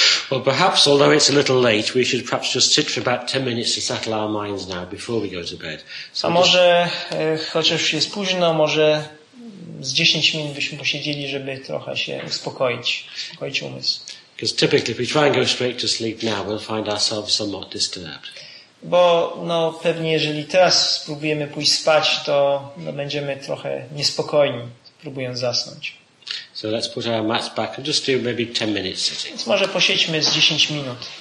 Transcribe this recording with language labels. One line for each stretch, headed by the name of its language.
English: Well, perhaps, although it's a little late, we should perhaps just sit for about 10 minutes to settle our minds now before we go to bed.
Polish: So może, chociaż jest późno, może z 10 minut byśmy posiedzieli, żeby trochę się uspokoić umysł.
English: Because typically, if we try and go straight to sleep now, we'll find ourselves somewhat disturbed.
Polish: Bo no, pewnie jeżeli teraz spróbujemy pójść spać, to no, będziemy trochę niespokojni, próbując zasnąć.
English: So let's put our mats back and just do maybe 10 minutes sitting.
Polish: Więc może posiedźmy z 10 minut.